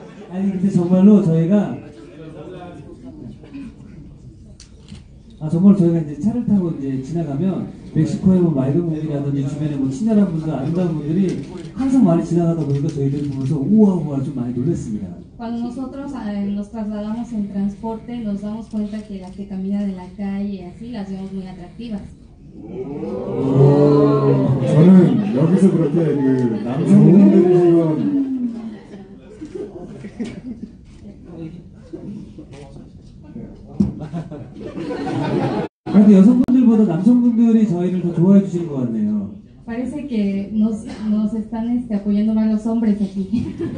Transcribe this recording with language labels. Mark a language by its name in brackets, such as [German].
[Korean] 아니 근데 정말로 저희가 정말 저희가 이제 차를 타고 이제 지나가면 멕시코에 뭐 맑은 분들이라든지 주변에 뭐 친절한 분들, 아름다운 분들이 항상 많이 지나가다 보니까 저희들 보면서 우와 우와 좀 많이 놀랐습니다. [Spanish] Cuando nosotros nos trasladamos en transporte, nos damos cuenta que las que caminan en la calle así las vemos muy atractivas. [Korean] 저는 여기서 그렇게 좋은 분들이 지금 그런데 여성분들보다 남성분들이 저희를 더 좋아해 주시는 것 같네요. [Spanish] Parece que nos están apoyando más los hombres aquí.